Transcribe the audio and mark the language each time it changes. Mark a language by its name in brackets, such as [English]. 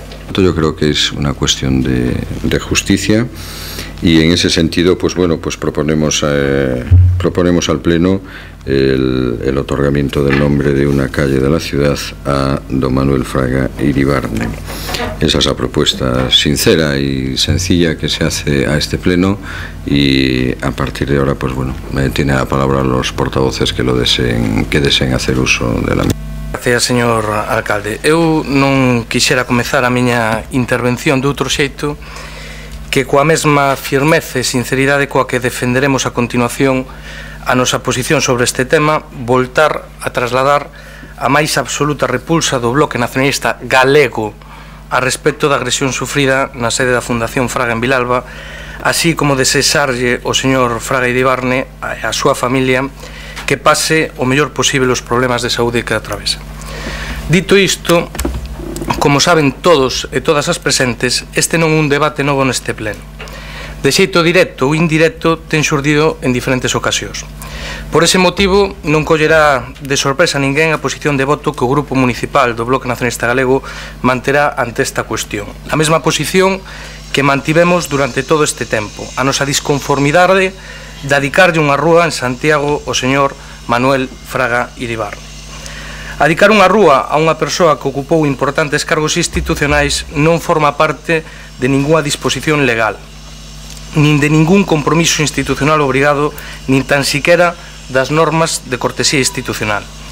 [Spanish] Esto yo creo que es una cuestión de justicia, y en ese sentido, pues bueno, pues proponemos al pleno el otorgamiento del nombre de una calle de la ciudad a don Manuel Fraga Iribarne. Esa es la propuesta sincera y sencilla que se hace a este pleno, y a partir de ahora, pues bueno, me tiene la palabra los portavoces que deseen hacer uso de la misma. Gracias, señor alcalde. [Galician] Eu non quixera comezar a miña intervención de outro xeito que coa mesma firmeza e sinceridade coa que defenderemos a continuación a nosa posición sobre este tema, voltar a trasladar a máis absoluta repulsa do Bloque Nacionalista Galego a respecto da agresión sufrida na sede da Fundación Fraga en Vilalba, así como desexarlle ao señor Fraga Iribarne e a súa familia que pase o mellor posible os problemas de saúde que atravesa. Dito isto, como saben todos e todas as presentes, este non é un debate novo neste pleno. De xeito directo ou indirecto, ten xurdido en diferentes ocasións. Por ese motivo, non collerá de sorpresa a ninguén a posición de voto que o Grupo Municipal do Bloque Nacionalista Galego manterá ante esta cuestión. A mesma posición que mantivemos durante todo este tempo, a nosa disconformidade de adicarlle unha rúa en Santiago ao señor Manuel Fraga Iribarne. Adicar unha rúa a unha persoa que ocupou importantes cargos institucionais non forma parte de ninguna disposición legal, nin de ningún compromiso institucional obrigado, nin tan siquera das normas de cortesía institucional.